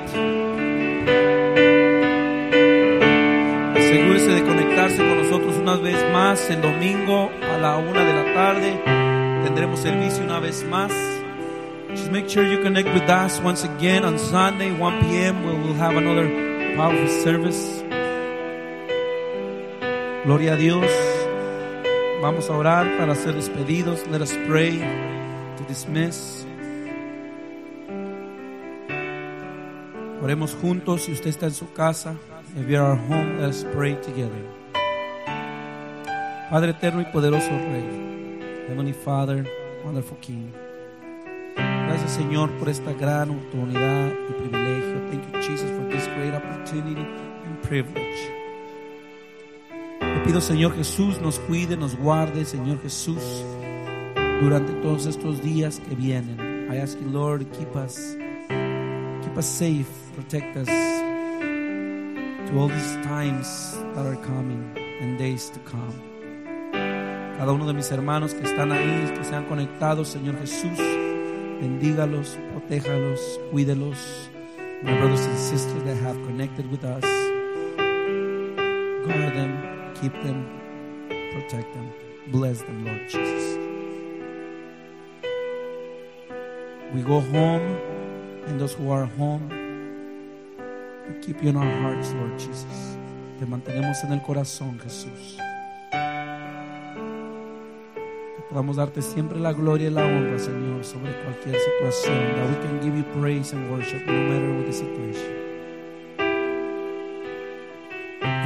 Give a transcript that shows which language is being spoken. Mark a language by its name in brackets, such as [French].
[Spanish] Asegúrese de conectarse con nosotros una vez más el domingo a la 1:00 p.m. Tendremos servicio una vez más. [English] Just make sure you connect with us once again on Sunday, 1 p.m. We will have another powerful service. [Spanish] Gloria a Dios. Vamos a orar para ser despedidos. [English] Let us pray to dismiss. [Spanish] Oremos juntos. Si usted está en su casa, [English] if you are at home, let's pray together. [Spanish] Padre eterno y poderoso Rey, [English] Heavenly Father, Wonderful King, [Spanish] gracias Señor por esta gran oportunidad y privilegio. [English] Thank you Jesus for this great opportunity and privilege. [Spanish] Te pido Señor Jesús nos cuide, nos guarde Señor Jesús durante todos estos días que vienen. [English] I ask you Lord, keep us safe, protect us to all these times that are coming and days to come. [Spanish] Cada uno de mis hermanos que están ahí, que se han conectado, Señor Jesús, bendígalos, protéjalos, cuídelos. [English] My brothers and sisters that have connected with us, guard them, keep them, protect them, bless them, Lord Jesus. We go home, and those who are home, we keep you in our hearts, Lord Jesus. [Spanish] Te mantenemos en el corazón, Jesús. Que podamos darte siempre la gloria y la honra, Señor, sobre cualquier situación. [English] That we can give you praise and worship, no matter what the situation.